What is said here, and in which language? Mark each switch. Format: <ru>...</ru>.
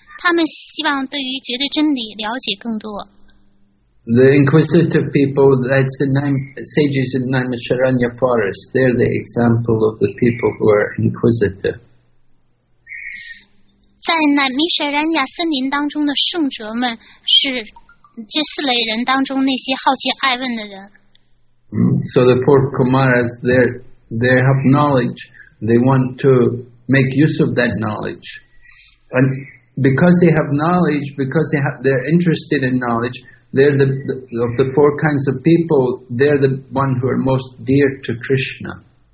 <zh>他们希望对于绝对真理了解更多。</zh> <en>The inquisitive people, that's the sages in Naimisharanya Forest. They're the example of the people who are inquisitive.</en> <zh>在乃米舍然亚森林当中的圣哲们是这四类人当中那些好奇爱问的人。</zh> <en>So the four Kumaras, they have knowledge. They want to make use of that knowledge. And... Because they have knowledge, because they're interested in knowledge, they're of the four kinds of people, they're the one who are most dear to Krishna.</en>